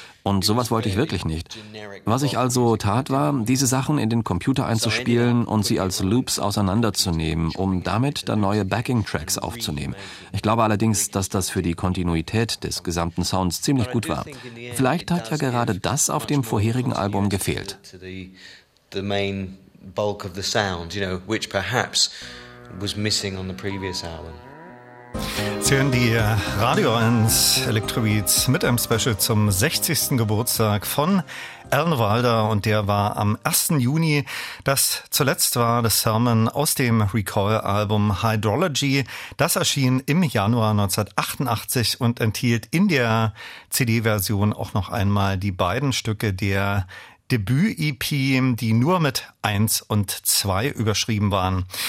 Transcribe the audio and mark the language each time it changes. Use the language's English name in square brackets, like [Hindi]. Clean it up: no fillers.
[German] Und sowas wollte ich wirklich nicht. Was ich also tat, war, diese Sachen in den Computer einzuspielen und sie als Loops auseinanderzunehmen, um damit dann neue Backing-Tracks aufzunehmen. Ich glaube allerdings, dass das für die Kontinuität des gesamten Sounds ziemlich gut war. Vielleicht hat ja gerade das auf dem vorherigen Album gefehlt. [English] The main bulk of the sound, you know, which perhaps was missing on the previous album. [German] Sie hören die Radio 1 Electrobeats mit einem Special zum 60. Geburtstag von Alan Wilder und der war am 1. Juni, das zuletzt war, das Sermon aus dem Recoil-Album Hydrology. Das erschien im Januar 1988 und enthielt in der CD-Version auch noch einmal die beiden Stücke der Debüt-EP, die nur mit 1 und 2 überschrieben waren.